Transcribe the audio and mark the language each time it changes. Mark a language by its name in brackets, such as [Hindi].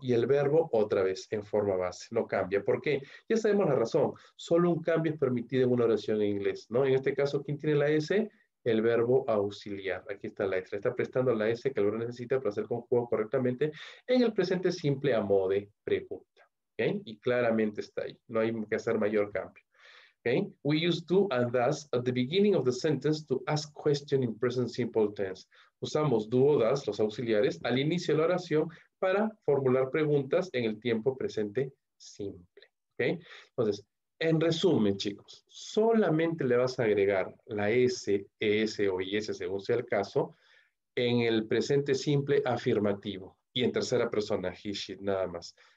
[Spanish] Y el verbo otra vez, en forma base, no cambia. ¿Por qué? Ya sabemos la razón. Solo un cambio es permitido en una oración en inglés, ¿no? En este caso, ¿quién tiene la S? El verbo auxiliar. Aquí está la S. Está prestando la S que el verbo necesita para ser conjugado correctamente en el presente simple a modo de pregunta. ¿Ok? Y claramente está ahí. No hay que hacer mayor cambio. Okay. [English] We use do and does at the beginning of the sentence to ask question in present simple tense. [Spanish] Usamos do o does, los auxiliares, al inicio de la oración para formular preguntas en el tiempo presente simple. Okay. Entonces, en resumen, chicos, solamente le vas a agregar la S, ES o IS según sea el caso, en el presente simple afirmativo y en tercera persona, he, she, nada más.